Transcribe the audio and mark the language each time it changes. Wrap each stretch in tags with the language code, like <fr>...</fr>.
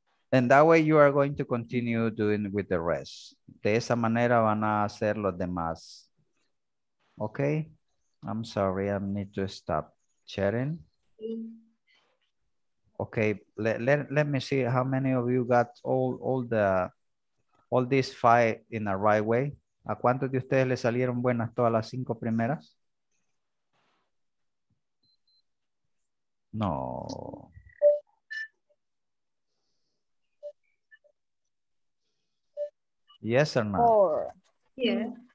<en>And that way you are going to continue doing with the rest.</en> <es>De esa manera van a hacer los demás.</es> <en>Okay. I'm sorry. I need to stop sharing. Okay. Let me see how many of you got all these five in the right way.</en> <es>¿A cuántos de ustedes le salieron buenas todas las cinco primeras? No.</es> <en>Yes or no? Four. Yeah.</en>